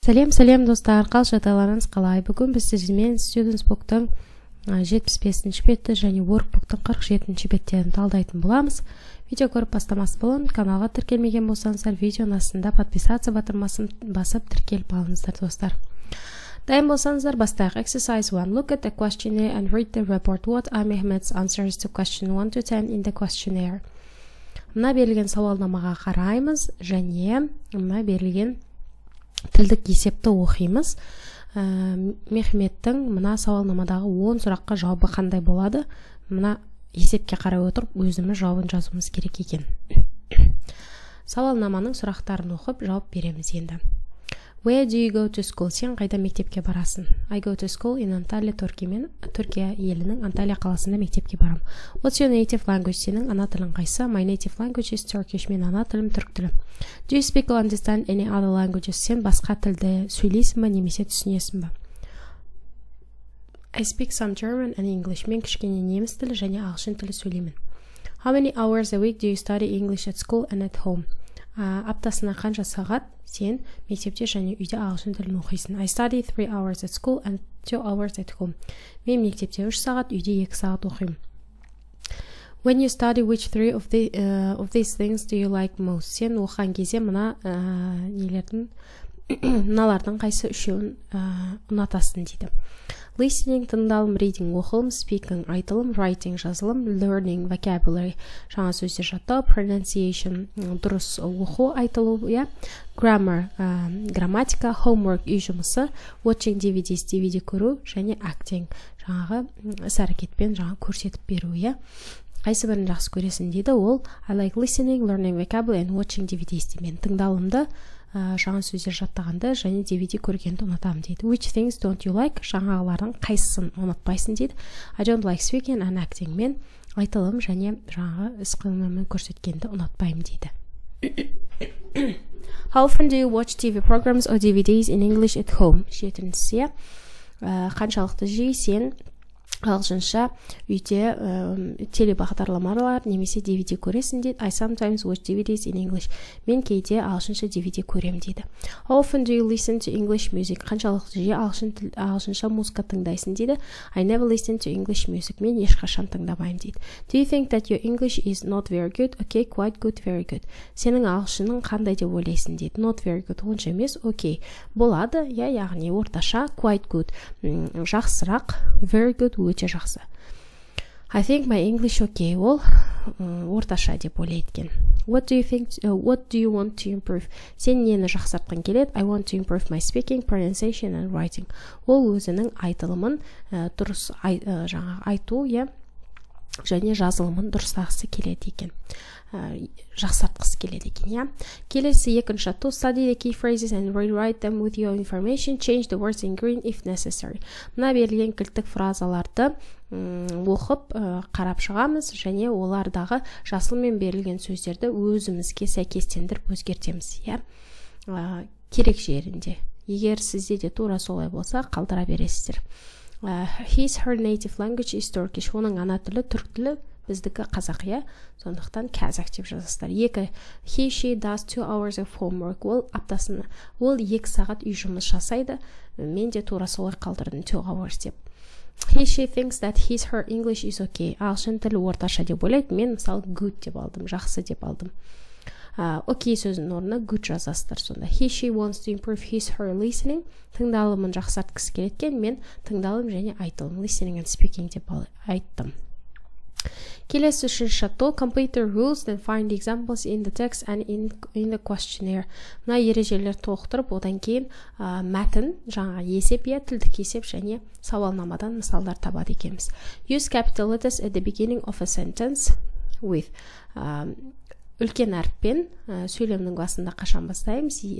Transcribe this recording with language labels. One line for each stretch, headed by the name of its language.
Kazakh: Сәлем, сәлем, достар, қал жағдайларыңыз қалай? Бүгін біз сіздермен Students Book-тың 75-ші беті және Workbook-тың 47-ші беттерін талдайтын боламыз. Видео көріп бастамас болын, каналға тіркелмеген болсаңыздар, видеоның астында подписаться батырмасын басып тіркеліп алыңыздар, достар. Дайын болсаңыздар, бастайық.
English: Exercise 1. Look at the questionnaire and read the report. What are Mehmet's answers to question 1 to 10 in the questionnaire?
Kazakh: Мына берілген сауалнамаға қараймыз және мына берілген тілдік есепті оқимыз. Мехметтің мына сауалнамадағы 10 сұраққа жауабы қандай болады? Мына есепке қарай отырып, өзіміз жауабын жазуымыз керек екен. Сауалнаманың сұрақтарын оқып, жауап береміз енді.
English: Where do you go to school?
Kazakh: Сен қайда мектепке барасың?
English: I go to school in Antalya,
Kazakh: Түркия елінің Анталия қаласында мектепке барам.
English: What's your native language?
Kazakh: Сенің ана тілің қайсы?
English: My native language is Turkish.
Kazakh: Мен ана тілім түрік тілі.
English: Do you speak or understand any other languages?
Kazakh: Сен басқа тілді сөйлейсің ба, немесе түсінесің ба?
English: I speak some German and English.
Kazakh: Мен кішкене неміс тілі және ағылшын тілі сөйлеймін.
English: How many hours a week do you study English at school and at home?
Kazakh: Аптасына қанша сағат сен мектепте және үйде ағылшын тілін оқисың?
English: I study 3 hours at school and 2 hours at home.
Kazakh: Мен мектепте 3 сағат, үйде 2 сағат оқим.
English: When you study, which 3 of these things do you like most?
Kazakh: Сен оқыған кезде мына мыналардың қайсы үшеуін ұнатасың дейді. Listening, тыңдалым, reading, оқылым, speaking, айтылым, writing, жазылым,
English: learning, vocabulary,
Kazakh: жаңа сөзде жаттау, pronunciation, дұрыс оқу, айтылу, grammar, грамматика, homework, үй жұмысы,
English: watching DVDs,
Kazakh: DVD көру, және acting, жаңағы іс-әрекетпен жаңа көрсетіп беру, қайсы бірін жақсы көресің дейді ол.
English: I like listening, learning vocabulary and watching DVDs
Kazakh: деймін. Тыңдалымды, жаңа сөздер жаттағанды және DVD көргенді ұнатамын дейді.
English: Which things don't you like?
Kazakh: Жаңағылардың қайсысын ұнатпайсың дейді.
English: I don't like speaking and acting.
Kazakh: Мен айтылым және жаңағы іс-қимылмен көрсеткенді ұнатпаймын дейді.
English: How often do you watch TV programs or DVDs in English at home?
Kazakh: Жетіншісі, қаншалықты жиі сен ағылшынша үйде телебағдарламалар немесе DVD көресің дейді.
English: I sometimes watch DVDs in English.
Kazakh: Мен кейде ағылшынша DVD көрем дейді.
English: How often do you listen to English music?
Kazakh: Қаншалық жиі ағылшынша музыка тыңдайсың дейді.
English: I never listen to English music.
Kazakh: Мен ешқашан тыңдамаймын дейді.
English: Do you think that your English is not very good? Okay, quite good, very good.
Kazakh: Сенің ағылшының қандай деп ойлайсың дейді.
English: Not very good,
Kazakh: онша емес,
English: okay.
Kazakh: Болады, яғни орташа,
English: quite good,
Kazakh: жақсырақ,
English: very good,
Kazakh: өте жақсы.
English: I think my English okay.
Kazakh: Ол орташа деп ойлайтын.
English: What do you want to improve?
Kazakh: Сен нені жақсартқың келеді?
English: I want to improve my speaking, pronunciation and writing.
Kazakh: Ол өзінің айтылымын дұрыс айту, және жазылымын дұрыстағысы келеді екен. Жақсартқысы келеді екен. Келесі екінші
English: to study the key phrases and rewrite them with your information. Change the words in green if necessary.
Kazakh: Мына берілген кілттік фразаларды оқып, қарап шығамыз және олардағы жасылмен берілген сөздерді өзімізге сәйкестендіріп өзгертеміз. Керек жерінде. Егер сізде де тура солай болса, қалдыра бересіздер.
English: His, her native language is Turkish.
Kazakh: Оның ана тілі түрік тілі, біздікі қазақ, сондықтан қазақ деп жазасыздар. Екі,
English: he, she does 2 hours of homework.
Kazakh: Ол аптасын, ол 2 сағат үй жұмыс жасайды. Мен де тура солай қалдырдым
English: 2 hours
Kazakh: деп.
English: He, she thinks that his, her English is okay.
Kazakh: Ағылшын тілі орташа деп ойлайды. Мен мысал good деп алдым, жақсы деп алдым. Okay сөзінің орнына good жазасыздар сонда.
English: He, she wants to improve his, her listening.
Kazakh: Тыңдалымын жақсартқысы келеткен, мен тыңдалым және айтылым,
English: listening and speaking
Kazakh: деп айттым. Келесі үшінші
English: to complete the rules and find examples in the text and in the questionnaire.
Kazakh: Мына ережелер тоқтырып, одан кейін мәтін, жаңа есеп, тілдік есеп және сауалнамадан мысалдар табады екеміз.
English: Use capital letters at the beginning of a sentence with...
Kazakh: Үлкен әріппен сөйлемнің басында қашан бастаймыз?